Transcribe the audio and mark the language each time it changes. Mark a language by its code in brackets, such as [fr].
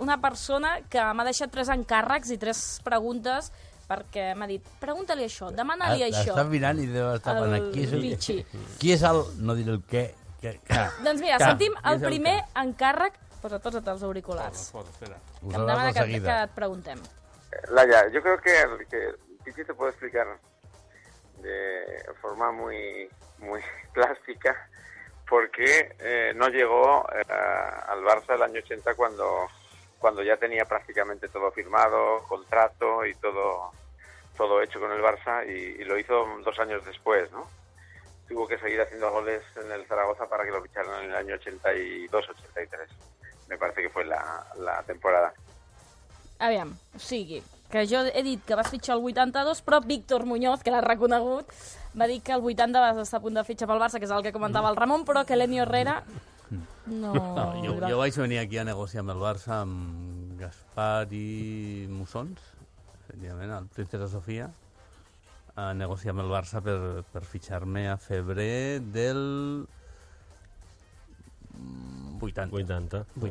[ca] Una persona que m'ha deixat 3 encàrrecs i 3 preguntes perquè m'ha dit, pregunta-li això, demana-li això. Està mirant i deu estar parlant. Qui és el Vichy? Qui és el... No diré el què. Doncs mira, sentim el primer encàrrec. Posa tots els auriculars. Posa, espera. Que em demana que et preguntem. [es] Laia, yo creo que el Vichy te puede explicar de forma muy, muy plástica por qué no llegó al Barça el año 80 cuando ya tenía prácticamente todo firmado, contrato y todo hecho con el Barça, y lo hizo 2 años después, ¿no? Tuvo que seguir haciendo goles en el Zaragoza para que lo ficharan en el año 82-83. Me parece que fue la temporada. [ca] Aviam, o sigui, que jo he dit que vas fitxar el 82, però Víctor Muñoz, que l'ha reconegut, va dir que el 80 vas estar a punt de fitxar pel Barça, que és el que comentava el Ramon, però que Leni Herrera... No, jo vaig venir aquí a negociar amb el Barça amb Gaspar i Mussons, efectivament, el Princesa Sofia, a negociar amb el Barça per fitxar-me a febrer del 80.